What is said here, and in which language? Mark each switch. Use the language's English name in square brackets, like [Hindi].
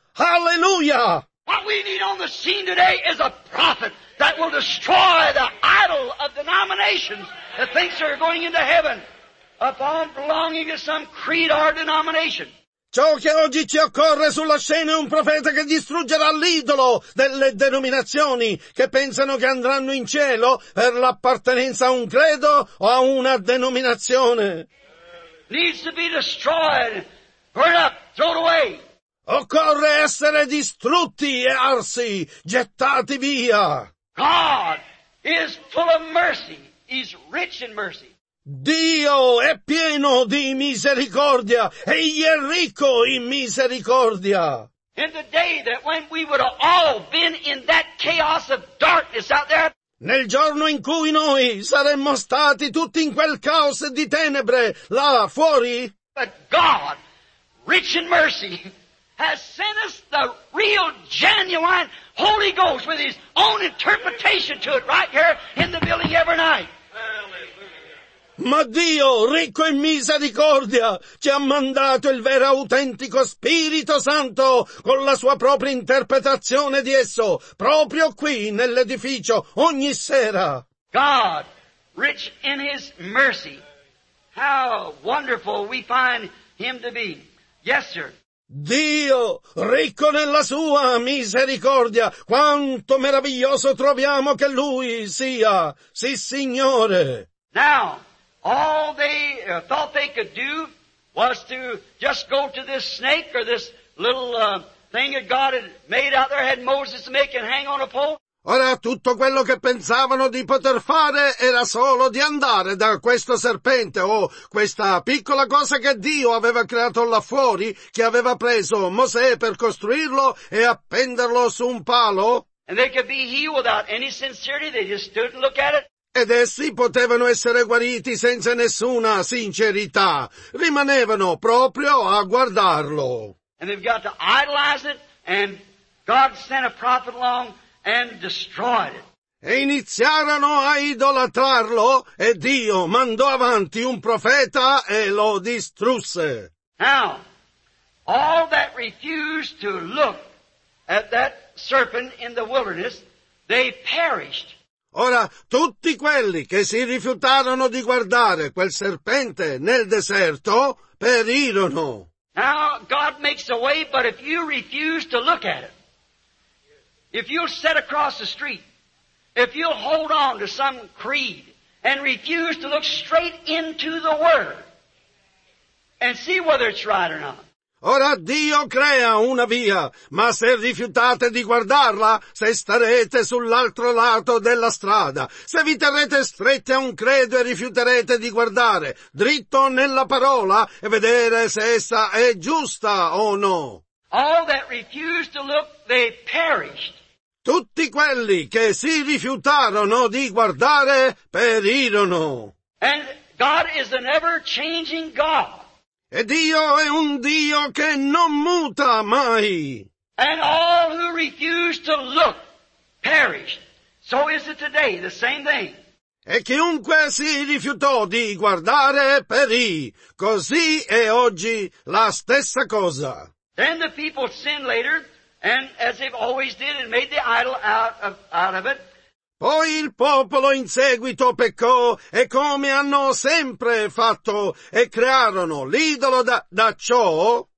[English] Hallelujah! What we need on the scene today is a prophet that will destroy the idol of denominations that thinks they're going into heaven upon belonging to some creed or denomination. [Italian] Ciò che oggi ci occorre sulla scena è un profeta che distruggerà l'idolo delle denominazioni che pensano che andranno in cielo per l'appartenenza a un credo o a una denominazione. [English] Needs to be destroyed, burned up, thrown away. [Italian] Occorre essere distrutti e arsi, gettati via. [English] God is full of mercy. He's rich in mercy. [Italian] Dio è pieno di misericordia, egli è ricco in misericordia. [English] In the day that when we would have all been in that chaos of darkness out there, [Italian] nel giorno in cui noi saremmo stati tutti in quel caos di tenebre là fuori, [English] but God, rich in mercy, has sent us the real, genuine Holy Ghost with His own interpretation to it right here in the building every night. [Italian] Ma Dio, ricco in misericordia, ci ha mandato il vero autentico Spirito Santo con la sua propria interpretazione di esso, proprio qui nell'edificio, ogni sera. [English] God, rich in His mercy, how wonderful we find Him to be. Yes, sir. [Italian] Dio, ricco nella sua misericordia, quanto meraviglioso troviamo che Lui sia, sì, Signore. [English] Now, all they thought they could do was to just go to this snake or this little thing that God had made out there, had Moses to make and hang on a pole. [Italian] Ora tutto quello che pensavano di poter fare era solo di andare da questo serpente o questa piccola cosa che Dio aveva creato là fuori, che aveva preso Mosè per costruirlo e appenderlo su un palo. [English] And they could be healed without any sincerity, they just stood and looked at it. [Italian] Ed essi potevano essere guariti senza nessuna sincerità. Rimanevano proprio a guardarlo. [English] And they've got to idolize it, and God sent a prophet along and destroyed it. [Italian] E iniziarono a idolatrarlo, e Dio mandò avanti un profeta e lo distrusse. [English] Now, all that refused to look at that serpent in the wilderness, they perished. [Italian] Ora, tutti quelli che si rifiutarono di guardare quel serpente nel deserto, perirono. [English] Now, God makes a way, but if you refuse to look at it, if you'll sit across the street, if you'll hold on to some creed and refuse to look straight into the Word and see whether it's right or not. [Italian] Ora Dio crea una via, ma se rifiutate di guardarla, se starete sull'altro lato della strada, se vi terrete stretti a un credo e rifiuterete di guardare dritto nella parola e vedere se essa è giusta o no. [English] All that refused to look, they perished. [Italian] Tutti quelli che si rifiutarono di guardare perirono. [English] And God is an ever-changing God. [Italian] E Dio è un Dio che non muta mai. [English] And all who refuse to look perished. So is it today, the same thing. [Italian] E chiunque si rifiutò di guardare perì. Così è oggi la stessa cosa. [English] Then the people sinned later, and as they've always did, and made the idol out of it. [Italian] Poi il popolo in seguito peccò, e come hanno sempre fatto, e crearono l'idolo da ciò,